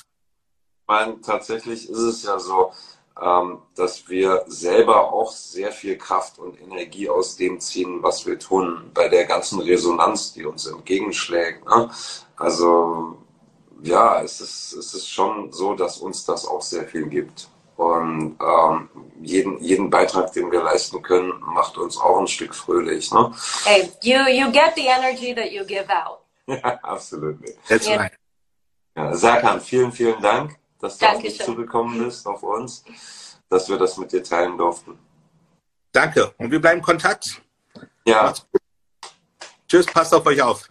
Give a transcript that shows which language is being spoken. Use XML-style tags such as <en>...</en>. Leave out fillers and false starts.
<de>Ich meine, tatsächlich ist es ja so, dass wir selber auch sehr viel Kraft und Energie aus dem ziehen, was wir tun, bei der ganzen Resonanz, die uns entgegenschlägt. Ne? Also ja, es ist schon so, dass uns das auch sehr viel gibt. Und jeden Beitrag, den wir leisten können, macht uns auch ein Stück fröhlich. Ne?</de> <en>Hey, you get the energy that you give out.</en> <de>Ja, absolut.</de> <en>That's right.</en> <de>Ja, Serkan, vielen, vielen Dank, dass du auf mich zugekommen bist, auf uns, dass wir das mit dir teilen durften. Danke. Und wir bleiben in Kontakt. Ja. Tschüss, passt auf euch auf.</de>